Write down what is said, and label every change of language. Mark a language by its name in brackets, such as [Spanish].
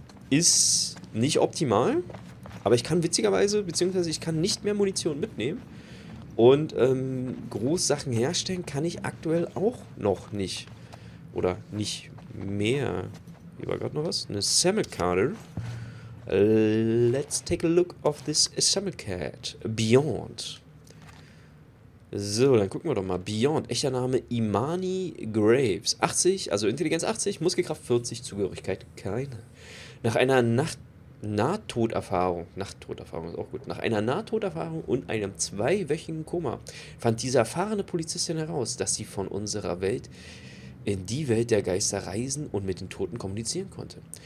[German] Ist nicht optimal, aber ich kann witzigerweise, beziehungsweise ich kann nicht mehr Munition mitnehmen. Und Großsachen herstellen kann ich aktuell auch noch nicht. Oder nicht mehr. Hier war gerade noch was. Eine Sammelkarte. [English] Let's take a look of this Sammelkarte. Beyond. [German] So, dann gucken wir doch mal. Beyond. Echter Name Imani Graves. 80, also Intelligenz 80, Muskelkraft 40, Zugehörigkeit keine. Nach einer Nahtoderfahrung ist auch gut. Nach einer Nahtoderfahrung und einem 2-wöchigen Koma fand diese erfahrene Polizistin heraus, dass sie von unserer Welt in die Welt der Geister reisen und mit den Toten kommunizieren konnte.